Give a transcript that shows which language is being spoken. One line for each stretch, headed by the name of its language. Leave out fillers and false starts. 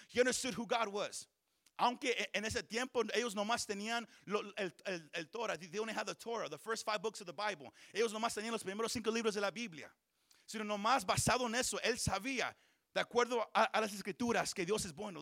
English: He understood who God was.
Spanish: Aunque en ese tiempo ellos nomás tenían el Torah.
English: They only had the Torah, the first five books of the Bible.
Spanish: Ellos nomás tenían los primeros cinco libros de la Biblia. Sino nomás basado en eso, él sabía, de acuerdo a las Escrituras, que Dios es bueno.